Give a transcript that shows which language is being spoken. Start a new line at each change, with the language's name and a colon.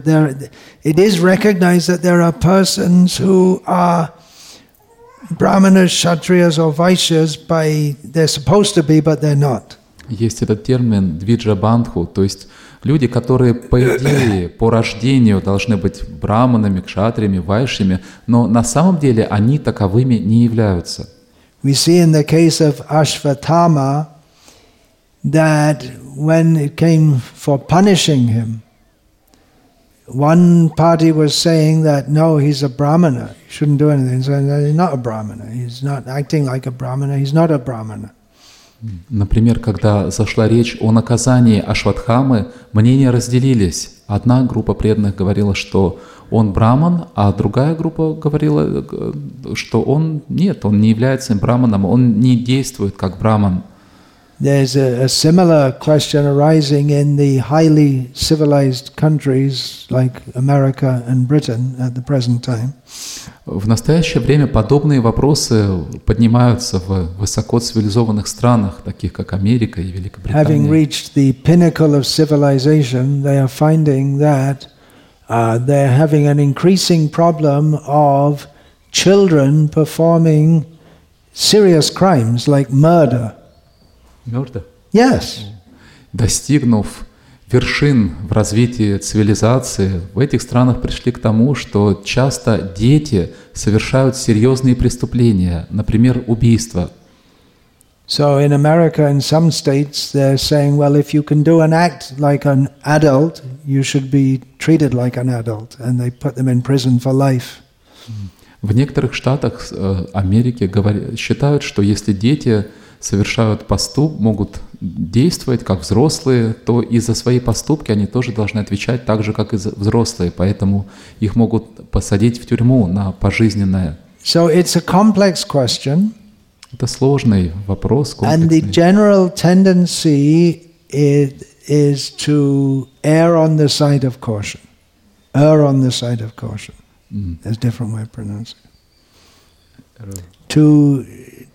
English: There, it is recognized that there are persons who are Brahmanas, Kshatriyas or Vaishyas by they're supposed to be, but they're not.
Russian: Есть этот термин Dvija Bandhu, то есть Люди, которые, по идее, по рождению должны быть браманами, кшатриями, вайшьями, но на самом деле они таковыми не являются.
English: We see in the case of Ashvatthama that when it came for punishing him, one party was saying that, no, he's a brahmana, he shouldn't do anything. So he's not a brahmana, he's not acting like a brahmana, he's not a brahmana.
Russian: Например, когда зашла речь о наказании Ашватхамы, мнения разделились. Одна группа преданных говорила, что он браман, а другая группа говорила, что он нет, он не является браманом, он не действует как браман.
English: There's a similar question arising in the highly civilized countries like America and Britain at the present time.
Russian: В настоящее время подобные вопросы поднимаются в высоко цивилизованных странах, таких как Америка и Великобритания.
English: Having reached the pinnacle of civilization, they are finding that they're having an increasing problem of children performing serious crimes like murder.
Russian: Мёрдо?
English: Yes.
Russian: Достигнув вершин в развитии цивилизации, в этих странах пришли к тому, что часто дети совершают серьезные преступления, например, убийства.
English: So in America, in some states, they're saying, well, if you can do an act like an adult, you should be treated like an adult, and they put them in prison for life.
Russian: В некоторых штатах Америки считают, что если дети совершают поступки, могут действовать как взрослые, то и за свои поступки они тоже должны отвечать так же, как и взрослые, поэтому их могут посадить в тюрьму на пожизненное.
English: So it's a complex question.
Russian: Это сложный вопрос, комплексный.
English: And the general tendency is to err on the side of caution. Err on the side of caution. There's a different way of pronouncing it.